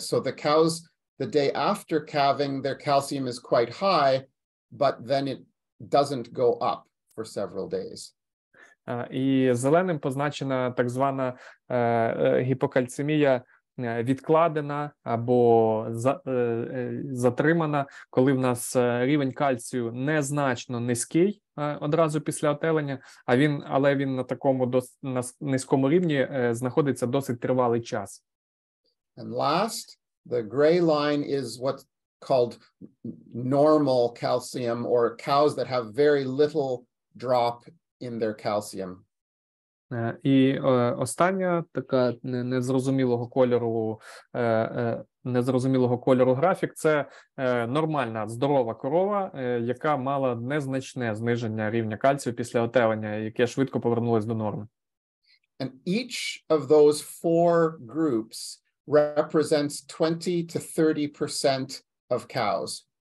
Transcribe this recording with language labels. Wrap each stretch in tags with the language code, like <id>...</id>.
<en>So the cows, the day after calving, their calcium is quite high, but then it doesn't go up for several days.</en> <uk>І зеленим позначена так звана гіпокальцемія відкладена або затримана, коли в нас рівень кальцію незначно низький одразу після отелення, але він на такому низькому рівні знаходиться досить тривалий час.</uk> <en>And last, the gray line is what's called normal calcium, or cows that have very little drop in their calcium.</en> <uk>І остання така незрозумілого кольору графік – це нормальна, здорова корова, яка мала незначне зниження рівня кальцію після отелення, яке швидко повернулося до норми.</uk> <en>And each of those four groups represents 20 to 30% of cows.</en>